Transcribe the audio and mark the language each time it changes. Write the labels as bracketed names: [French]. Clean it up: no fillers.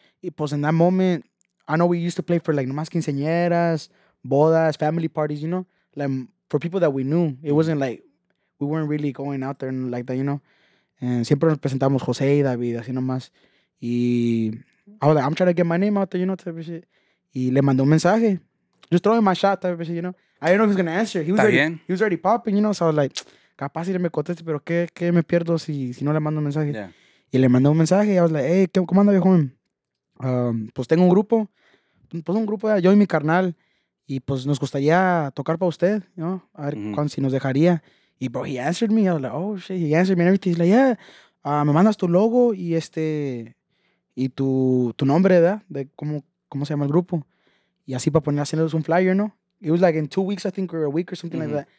[Spanish] Y pues en [English] that moment, I know we used to play for like nomás quinceañeras, bodas, family parties, you know, like for people that we knew. It wasn't like we weren't really going out there and like that, you know. And [Spanish] siempre nos presentamos José y David, así nomás. [English] Y I was like, I'm trying to get my name out there, you know, type of shit. [Spanish] Y le mandó un mensaje. [English] Just throwing my shot, type of shit, you know. I didn't know if he was going to answer. He was already popping, you know. So I was like, [Spanish] capaz si le me conteste, pero ¿qué me pierdo si no le mando un mensaje? Yeah. Y le mandó un mensaje. Y [English] I was like, [Spanish] hey, ¿cómo anda, viejo? Pues tengo un grupo. Pues un grupo, yo y mi carnal. Y pues nos gustaría tocar para usted, you know. A ver si nos dejaría. [English] Y, bro, he answered me. I was like, oh, shit. He answered me and everything. He's like, yeah, [Spanish] me mandas tu logo y este... Y tu nombre, ¿verdad? De cómo se llama el grupo. Y así para poner haciéndoles un flyer, ¿no? [English] It was like in 2 weeks, I think, or a week or something like that.